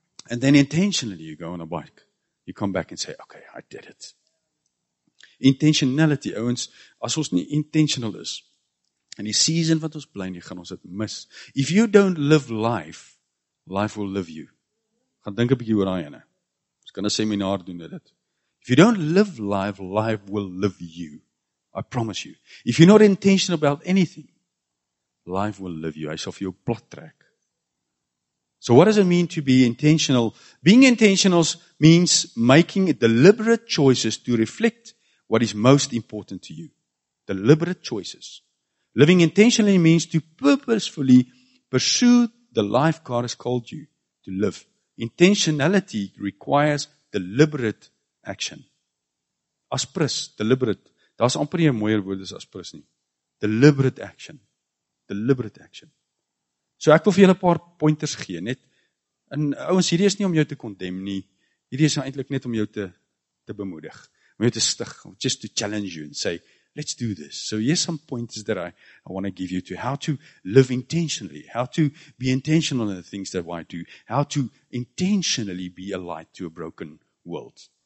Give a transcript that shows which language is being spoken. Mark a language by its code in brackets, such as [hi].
[en] And then intentionally you go on a bike. You come back and say, okay, I did it. [af] Intentionality, ouens, as ons nie intentional is, in die season wat ons bly nie, gaan ons dit mis. [en] If you don't live life, life will live you. [af] Gaan dink 'n bietjie oor daai ene. Ons kan 'n seminar doen oor dit. [en] If you don't live life, life will live you. I promise you. If you're not intentional about anything, life will live you. [af] Hy sal vir jou plat trek. [en] So what does it mean to be intentional? Being intentional means making deliberate choices to reflect what is most important to you. Deliberate choices. Living intentionally means to purposefully pursue the life God has called you to live. Intentionality requires deliberate action. [af] Aspris, deliberate. Daar's amper nie 'n mooier woord as aspris nie. [en] Deliberate action. Deliberate action. [af] So ek wil vir julle 'n paar pointers gee, net. En ouens, hierdie is nie om jou te condemn nie. Hierdie is eintlik net om jou te bemoedig. Om jou te stig, [en] just to challenge you and say, let's do this. So here's some pointers that I want to give you to how to live intentionally, how to be intentional in the things that I do, how to intentionally be a light to a broken world.